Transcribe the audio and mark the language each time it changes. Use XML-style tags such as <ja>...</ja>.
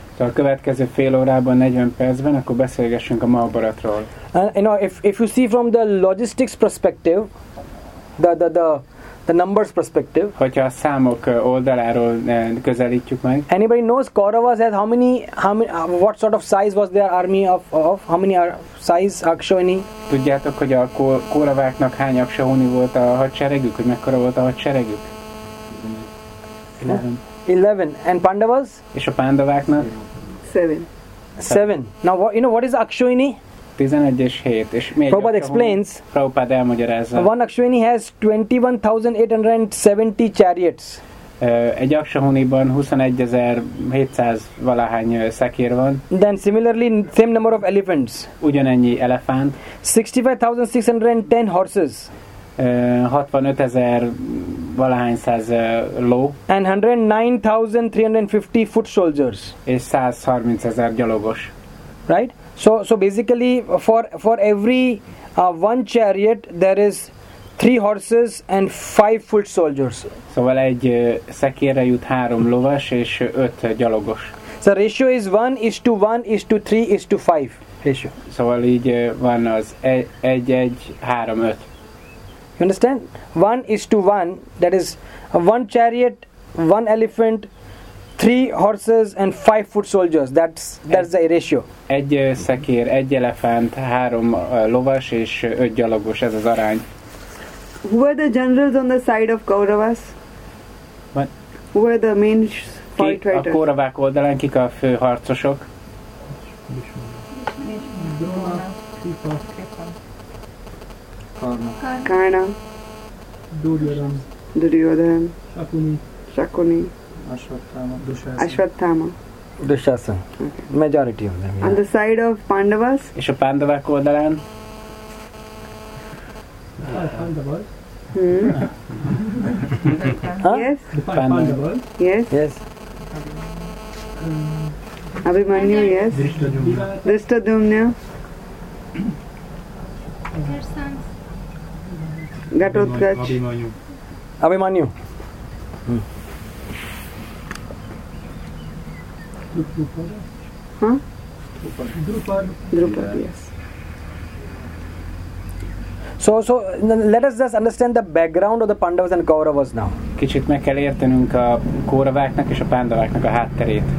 <hu>A következő fél órában, 40 percben, akkor beszélgessünk a Mahabharatról.</hu> <en>You know, if you see from the logistics perspective, the numbers perspective.</en> <hu>Hogyha a számok oldaláról közelítjük meg.</hu> <en>Anybody knows Kauravas has how many what sort of size was their army of how many are size Akshahuni?</en> <hu>Tudjátok, hogy a Kauraváknak hány Akshahuni volt a hadseregük, hogy mekkora volt a hadseregük?</hu> <en>11. And Pandavas?</en> <hu>És a Pandaváknak?</hu> <en>7. Now, what is Akshahuni?</en> <hu>11 és 7. És miért?</hu> <en>Prabhupada explains.</en> <hu>Prabhupada elmagyarázza.</hu> <en>One Akshahuni has 21,870 chariots.</en> <hu>Egy Akshahuniban 21,700 valahány szekér van.</hu> <en>Then similarly, same number of elephants.</en> <hu>Ugyanennyi elefánt.</hu> <en>65,610 horses.</en> <hu>65,000 valahány száz ló.</hu> <en>And 109,350 foot soldiers.</en> <hu>És 130,000 gyalogos.</hu> <en>Right? So basically for every one chariot there is three horses and five foot soldiers. Szóval egy szekérre jut három lovas és öt gyalogos. So ratio is 1:1:3:5 ratio. Szóval így van az 1:1:3:5. You understand? 1:1, that is one chariot, one elephant, three horses and five foot soldiers. That's the ratio.</en> <hu>Egy szekér, egy elefánt, három lovas és öt gyalogos, ez az arány.</hu> <en>Who were the generals on the side of Kauravas? What? Who were the main fight writers?</en> <hu>A Kauravák oldalán kik a fő harcosok?</hu> <en>Karna. Duryodhan. Shakuni. Ashwatthama. Dushasan. Okay. Majority of them. Yeah. On the side of Pandavas?</en> <hu>És a Pandavák oldalán?</hu> <en>Pandavas. Yes. Yes. Abhimanyu, yes. Drishtadyumna. Their sons. Ghatotkach. Abhimanyu. Drupad, yes. So let us just understand the background of the Pandavas and Kauravas now.</en> <hu>Kicsit meg kell értenünk a Kauraváknak és a Pandaváknak a hátterét.</hu>